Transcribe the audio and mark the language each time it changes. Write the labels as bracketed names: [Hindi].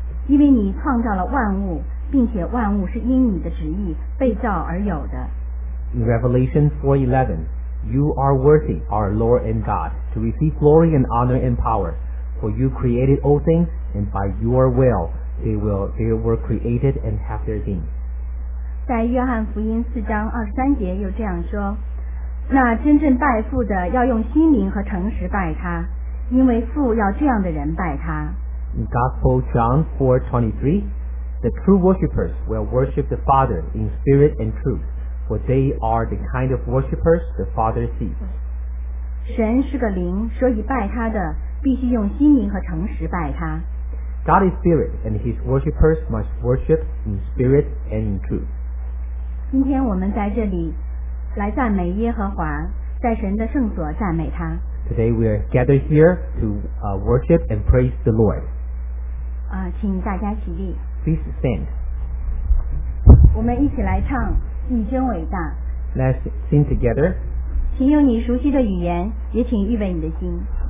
[Chinese] 因为你创造了万物，并且万物是因你的旨意被造而有的。 [English] Revelation 4:11, You are worthy, our Lord and God, to receive glory and honor and power, for you created all things, and by your will they were created and have their being. [Chinese] 在约翰福音四章二十三节又这样说，那真正拜父的要用心灵和诚实拜他，因为父要这样的人拜他。 [English] In Gospel John 4:23, The true worshippers will worship the Father in spirit and truth, for they are the kind of worshippers the Father seeks. [Chinese] 神是个灵，所以拜他的必须用心灵和诚实拜他。 [English] God is spirit, and his worshippers must worship in spirit and in truth. [Chinese] 今天我们在这里来赞美耶和华，在神的圣所赞美他。 [English] Today we are gathered here to worship and praise the Lord. [Chinese] 请大家起立。 [English] Please stand. [Chinese] 我们一起来唱，你真伟大。 [English] Let's sing together. [Chinese] 请用你熟悉的语言，也请预备你的心。